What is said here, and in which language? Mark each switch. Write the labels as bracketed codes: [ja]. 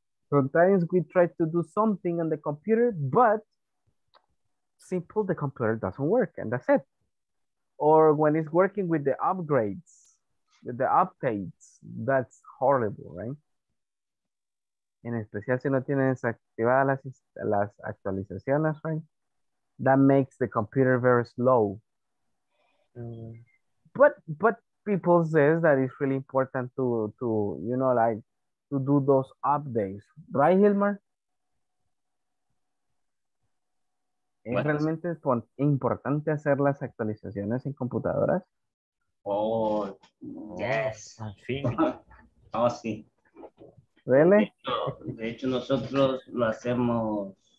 [en] Sometimes we try to do something on the computer, but simple, the computer doesn't work, and that's it. Or when it's working with the upgrades, with the updates, that's horrible, right? [es] En especial si no tienen desactivadas las actualizaciones, right? [en] That makes the computer very slow. But people says that it's really important to you know, like, to do those updates. Right, Hilmar? [es] ¿Es realmente importante hacer las actualizaciones en computadoras? Oh, yes, I think. Oh, sí. [en] ¿Really? [es] De hecho, nosotros lo hacemos